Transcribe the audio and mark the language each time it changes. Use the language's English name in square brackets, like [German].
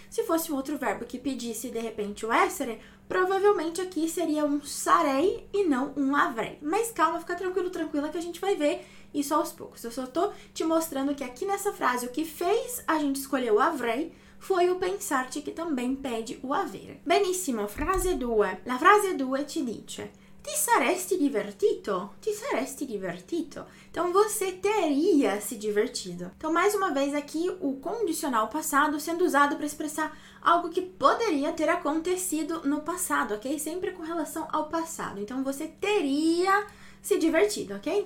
[Portuguese] Se fosse um outro verbo que pedisse de repente o essere, provavelmente aqui seria um sarei e não um avrei. Mas calma, fica tranquilo, tranquila, que a gente vai ver isso aos poucos. Eu só tô te mostrando que aqui nessa frase o que fez a gente escolher o avrei foi o pensarte que também pede o avere. [Italian] Benissimo, frase 2. La frase 2 ci dice: ti saresti divertito? Ti saresti divertito? [Portuguese] Então, você teria se divertido. Então, mais uma vez aqui, o condicional passado sendo usado para expressar algo que poderia ter acontecido no passado, ok? Sempre com relação ao passado. Então, você teria se divertido, ok?